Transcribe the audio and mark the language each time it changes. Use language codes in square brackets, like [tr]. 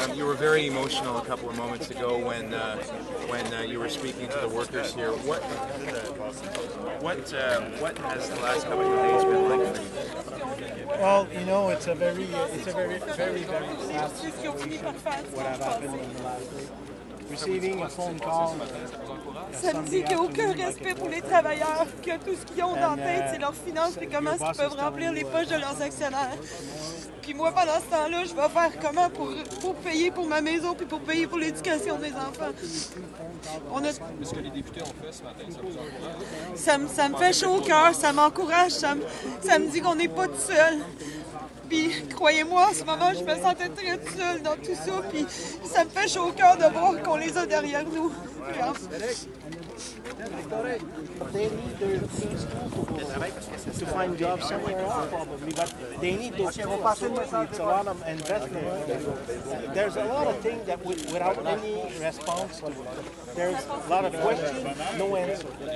[en] You were very emotional a couple of moments ago when you were speaking to the workers here. What has the last couple of days been like for you? Well, you know, it's a very, very sad what happened in the last day. Receiving a phone call. [fr] Samedi, qu'aucun respect pour les travailleurs, que tout ce qu'ils ont dans la tête, c'est leurs finances et comment ils peuvent remplir les poches de leurs actionnaires. Puis moi, pendant ce temps-là, je vais faire comment pour payer pour ma maison puis pour payer pour l'éducation des enfants. Mais ce que les députés ont fait ce matin, ça vous encourage? Ça me fait chaud au cœur, ça m'encourage, ça me dit qu'on n'est pas tout seul. Puis croyez-moi, en ce moment, je me sentais très toute seule dans tout ça, puis ça me fait chaud au cœur de voir qu'on les a derrière nous. [en] They need their to find jobs somewhere else, probably, but they need those jobs. It's a lot of investment. There's a lot of things that without any response, there's a lot of questions, no answer.